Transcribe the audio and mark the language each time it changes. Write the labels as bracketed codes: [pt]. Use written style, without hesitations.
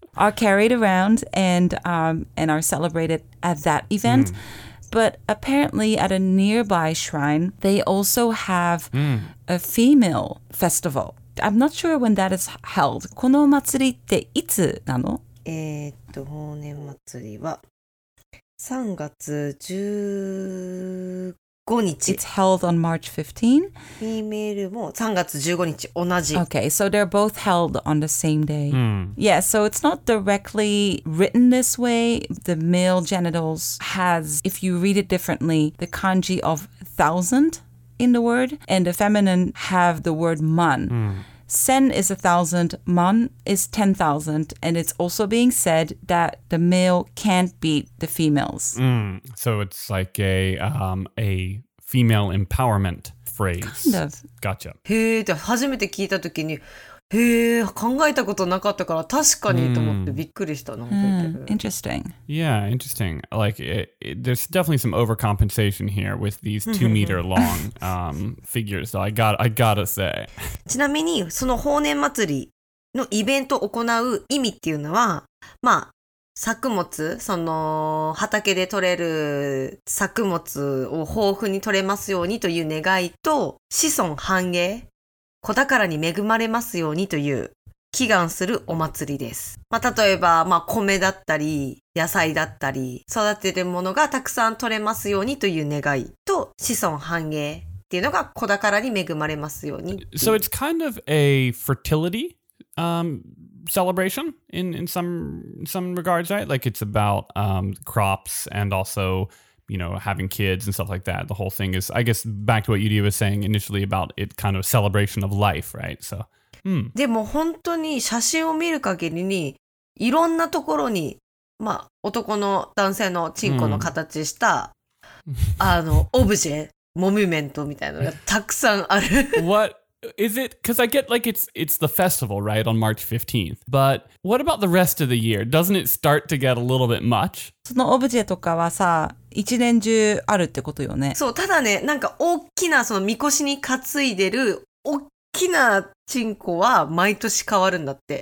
[en] Are carried around and are celebrated at that event. But apparently at a nearby shrine, they also have a female festival. I'm not sure when that is held. [ja] この祭りっていつなの？豊年祭りは3月19 15日. [en] It's held on March 15. [ja] Female も3月15日同じ. [en] Okay, so they're both held on the same day. Mm. Yeah, so it's not directly written this way. The male genitals has, if you read it differently, the kanji of thousand in the word, and the feminine have the word man. Mm. Sen is 1,000, man is 10,000, and it's also being said that the male can't beat the females. Mm, so it's like a female empowerment phrase. Kind of. Gotcha. [ja] Hey, って初めて聞いた時に、へえ、考えたことなかったから確かにと思ってびっくりしたな。 [en] Interesting. Yeah, interesting. Like, it, there's definitely some overcompensation here with these 2 meter long figures, so I gotta say. [ja] ちなみに、その豊年祭りのイベントを行う意味っていうのは、まあ、作物、その畑で採れる作物を豊富に採れますようにという願いと、子孫繁栄。子宝に恵まれますようにという祈願するお祭りです。まあ、例えば、まあ、米だったり、野菜だったり、育てるものがたくさん取れますようにという願いと、子孫繁栄っていうのが子宝に恵まれますように。 [en] So it's kind of a fertility, celebration in some regards, right? Like it's about, crops and also... You know, having kids and stuff like that. The whole thing is, I guess, back to what Yuri was saying initially about it kind of celebration of life, right? So, [ja] でも本当に写真を見る限りにいろんなところに、まあ、男の男性のチンコの形した、あの、オブジェ、モミュメントみたいなのがたくさんある。 [en] What is it? Because I get like it's the festival, right, on March 15th. But what about the rest of the year? Doesn't it start to get a little bit much? [ja] そのオブジェとかはさ一年中あるってことよね。そう、ただね、なんか大きなその神輿に担いでる大きなチンコは毎年変わるんだって。